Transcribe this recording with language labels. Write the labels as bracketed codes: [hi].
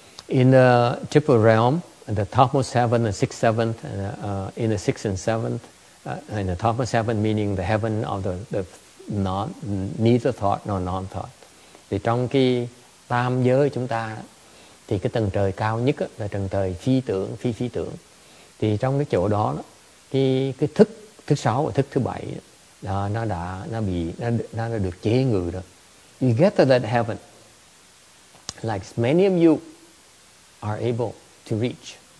[en] In the triple realm, the topmost heaven, the sixth, seventh, in the sixth and seventh, and the topmost heaven meaning the heaven of the non, neither thought nor non-thought. [vi] Thì trong cái tam giới chúng ta, thì cái tầng trời cao nhất là tầng trời phi tưởng, phi phi tưởng. Thì trong cái chỗ đó, cái thức, thức sáu và thức thứ bảy, nó được chế ngự rồi. [en] You get to that heaven, like many of you are able to reach.